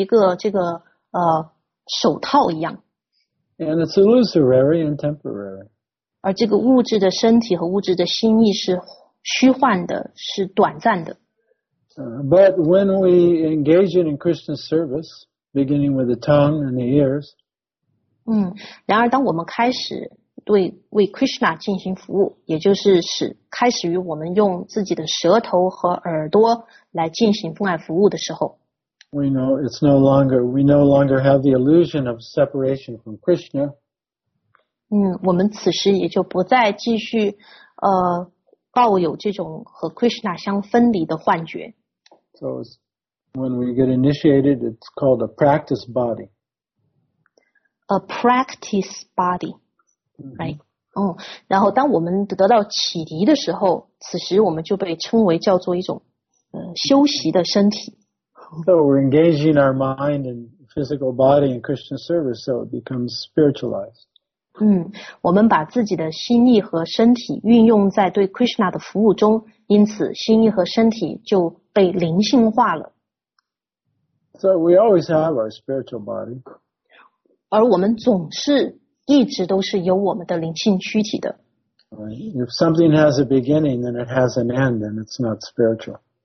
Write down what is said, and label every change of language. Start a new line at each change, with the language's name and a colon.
Chinese: 而我们的物质躯体和物质的心意就相当于是一个手套一样。
English: And it's illusory and temporary.
Chinese: 而这个物质的身体和物质的心意是虚幻的,是短暂的。
English: But when we engage in Krishna service, beginning with the tongue and the ears,
Chinese: 然而当我们开始为 Krishna 进行服务, 也就是开始于我们用自己的舌头和耳朵来进行服务的时候,
English: We no longer have the illusion of separation from Krishna.
Chinese: 我们此时也就不再继续, 抱有这种和 Krishna 相分离的幻觉。
English: So when we get initiated, it's called a practice body. A practice body, right?
Chinese: 然后当我们得到启迪的时候, 此时我们就被称为叫做一种休息的身体。
English: So we're engaging our mind and physical body in Krishna service, so it becomes spiritualized.
Chinese: 我们把自己的心意和身体运用在对 Krishna 的服务中, 因此心意和身体就被灵性化了。
English: So we always have our spiritual body.
Chinese: 而我们总是一直都是有我们的灵性躯体的。
English: If something has a beginning, then it has an end, then it's not spiritual.